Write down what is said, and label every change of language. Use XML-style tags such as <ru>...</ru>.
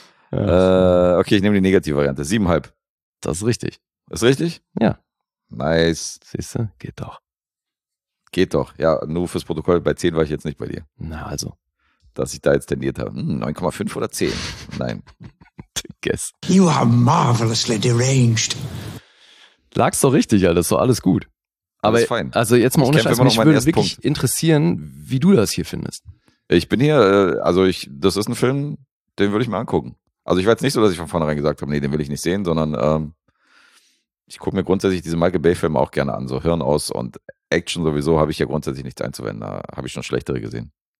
<de>Okay, ich nehme die negative Variante. 7,5. Das ist richtig. Ist richtig? Ja. Nice. Siehst du, geht doch. Geht doch. Ja, nur fürs Protokoll, bei 10 war ich jetzt nicht bei dir. Na also. Dass ich da jetzt tendiert habe. 9,5 oder 10? Nein.</de> <en>Guess. You are marvelously deranged.</en> <de>Lag's doch richtig, Alter. Ist doch alles gut. Aber alles fein. Also jetzt mal ohne Scheiß, mich würde wirklich interessieren, wie du das hier findest. Ich bin hier, also ich, das ist ein Film, den würde ich mir angucken. Also ich weiß nicht so, dass ich von vornherein gesagt habe, nee, den will ich nicht sehen, sondern ich gucke mir grundsätzlich diese Michael Bay Filme auch gerne an, so Hirn aus und Action sowieso habe ich ja grundsätzlich nichts einzuwenden, da habe ich schon schlechtere gesehen.</de>